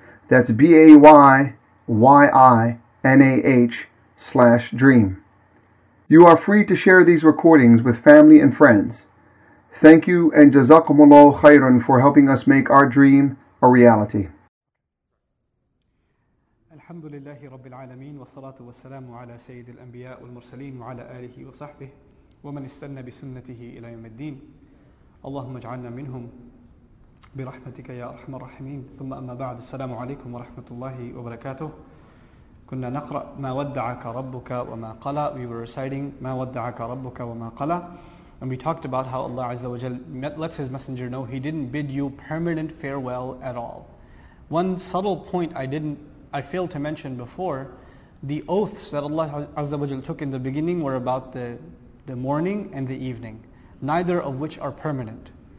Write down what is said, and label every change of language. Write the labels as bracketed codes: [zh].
[en] That's BAYYINAH/dream. You are free to share these recordings with family and friends. Thank you and Jazakumullah Khairan for helping us make our dream a reality. [ar] الحمد لله رب العالمين والصلاة والسلام على سيد الأنبياء والمرسلين وعلى آله وصحبه ومن استنى بسنته إلى يوم الدين اللهم اجعلنا منهم برحمتك يا أرحم الراحمين ثم أما بعد السلام عليكم ورحمة الله وبركاته كنا نقرأ ما ودعك ربك وما قلى. [en] We were reciting [ar] ما ودعك ربك وما قلى, [en] and we talked about how Allah [ar] عز وجل [en] lets his messenger know he didn't bid you permanent farewell at all. One subtle point I failed to mention before, the oaths that Allah Azza wa Jal took in the beginning were about the morning and the evening, neither of which are permanent.